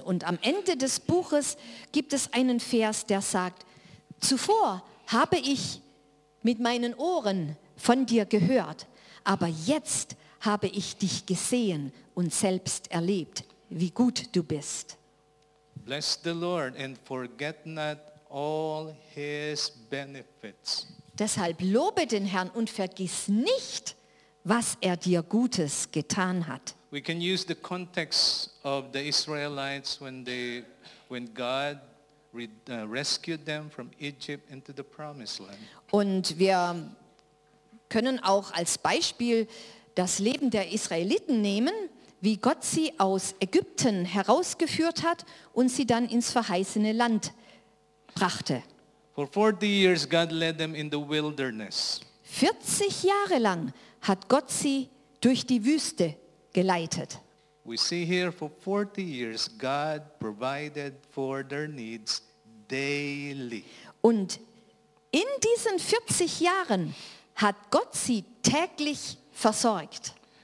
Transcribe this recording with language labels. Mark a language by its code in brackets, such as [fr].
[de] Und am Ende des Buches gibt es einen Vers, der sagt, zuvor habe ich mit meinen Ohren von dir gehört, aber jetzt habe ich dich gesehen und selbst erlebt, wie gut du bist. [en] Bless the Lord and forget not all his benefits. [de] Deshalb lobe den Herrn und vergiss nicht, was er dir Gutes getan hat. [en] We can use the context of the Israelites when God rescued them from Egypt into the promised land. [de] Und wir können auch als Beispiel das Leben der Israeliten nehmen, wie Gott sie aus Ägypten herausgeführt hat und sie dann ins verheißene Land brachte. [en] For 40 years God led them in the wilderness. [de] 40 Jahre lang hat Gott sie durch die Wüste geleitet. [en] We see here for 40 years God provided for their needs daily. [de] Und in diesen 40 Jahren hat Gott sie täglich versorgt.